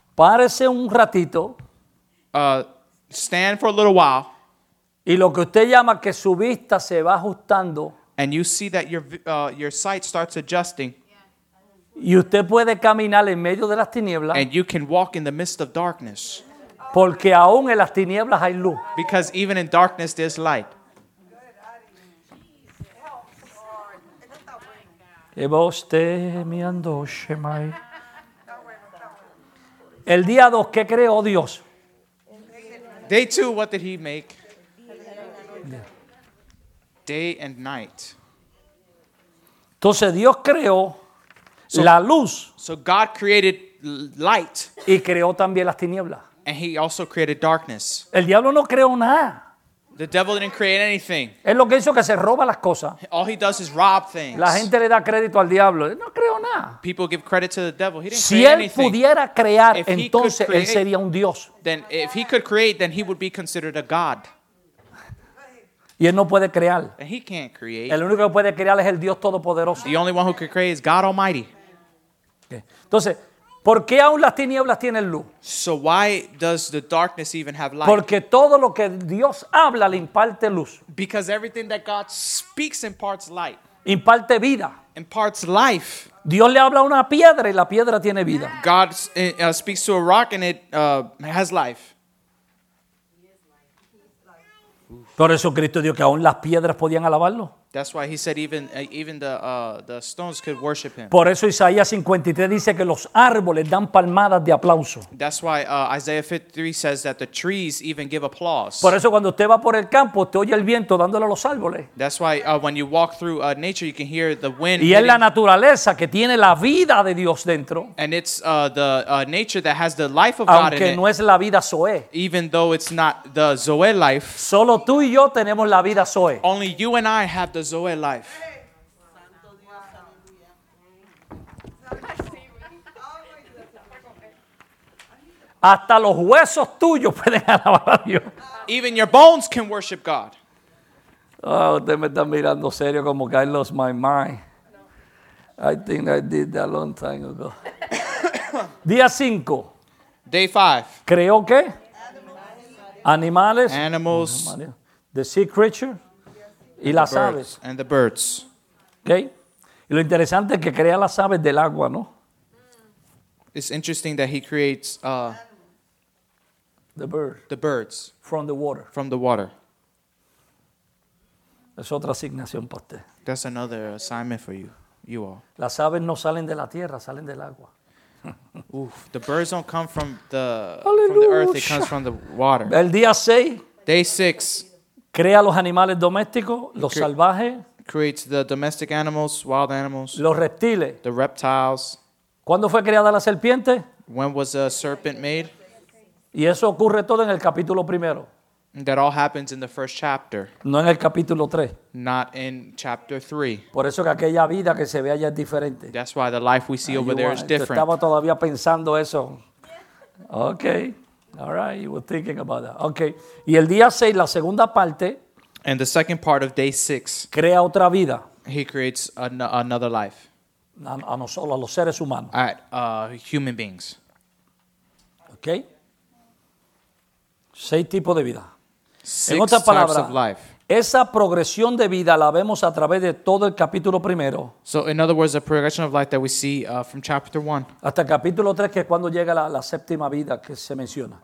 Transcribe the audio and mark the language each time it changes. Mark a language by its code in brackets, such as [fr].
[es] Párese un ratito. [en] Stand for a little while. [es] Y lo que usted llama que su vista se va ajustando. [en] And you see that your sight starts adjusting. [es] Y usted puede caminar en medio de las tinieblas. [en] And you can walk in the midst of darkness. [es] Porque aún en las tinieblas hay luz. [en] Because even in darkness there's light. [es] El día 2, ¿qué creó Dios? [en] Day 2, what did he make? Day and night. [es] Entonces Dios creó la luz. [en] So God created light. [es] Y creó también las tinieblas. [en] And he also created darkness. [es] El diablo no creó nada. [en] The devil didn't create anything. [es] Es lo que hizo que se roba las cosas. [en] All he does is rob things. [es] La gente le da crédito al diablo. Él no creó nada. [en] People give credit to the devil. He didn't [es] si [en] create [es] él [en] anything. [es] Pudiera crear, [en] if [es] entonces [en] create, [es] él sería un dios. [en] Then if he could create, then he would be considered a god. [es] Y él no puede crear. [en] And he can't create. [es] El único que puede crear es el Dios Todopoderoso. [en] The only one who can create is God Almighty. [es] Entonces, ¿por qué aún las tinieblas tienen luz? [en] So why does the darkness even have light? [es] Porque todo lo que Dios habla le imparte luz. [en] Because everything that God speaks imparts light. [es] Imparte vida. [en] Imparts life. [es] Dios le habla a una piedra y la piedra tiene vida. [en] God speaks to a rock and it has life. [es] Por eso Cristo dijo que aún las piedras podían alabarlo. [en] That's why he said even the stones could worship him. [es] Por eso Isaías 53 dice que los árboles dan palmadas de aplauso. [en] That's why Isaiah 53 says that the trees even give applause. [es] Por eso cuando usted va por el campo, usted oye el viento dándole a los árboles. [en] That's why when you walk through nature, you can hear the wind. [es] Y es la naturaleza que tiene la vida de Dios dentro. [en] And it's the nature that has the life of [es] aunque [en] God in [es] Aunque no es la vida Zoe. [en] Even though it's not the Zoe life. [es] Solo tú y yo tenemos la vida Zoe. [en] Only you and I have the Zoe life. [es] Hasta los huesos tuyos pueden alabar a Dios. [en] Even your bones can worship God. [es] Oh, usted me está mirando serio como que [en] I lost my mind. I think I did that a long time ago. [es] Día 5. [en] Day 5. [es] ¿Creo qué? Animales. [en] Animals. The sea creature. [es] Y las aves. [en] And the birds. Okay. [es] Y lo interesante es que crea las aves del agua, ¿no? [en] It's interesting that he creates the birds. From the water. From the water. [es] Es otra asignación para usted. [en] That's another assignment for you all. [es] Las aves no salen de la tierra, salen del agua. Oof. [en] The birds don't come from the earth, it comes from the water. [es] El día 6. [en] Day 6. [es] Crea los animales domésticos, los salvajes. [en] Creates the domestic animals, wild animals. [es] Los reptiles. [en] The reptiles. [es] ¿Cuándo fue creada la serpiente? [en] When was a serpent made? [es] Y eso ocurre todo en el capítulo primero. [en] That all happens in the first chapter. [es] No en el capítulo 3. [en] Not in chapter 3. [es] Por eso que aquella vida que se ve allá es diferente. [en] That's why the life we see over there is different. [es] Estaba todavía pensando eso. Okay. [en] All right, you were thinking about that. Okay. [es] Y el día 6, la segunda parte. [en] And the second part of day 6. [es] Crea otra vida. [en] He creates another life. [es] A nosotros, a los seres humanos. [en] At human beings. [es] Okay. Seis tipos de vida. [en] Six [es] en otras palabras, [en] types of life. [es] Esa progresión de vida la vemos a través de todo el capítulo primero. [en] So in other words, the progression of life that we see from chapter 1. [es] Hasta el capítulo 3, que es cuando llega la séptima vida que se menciona.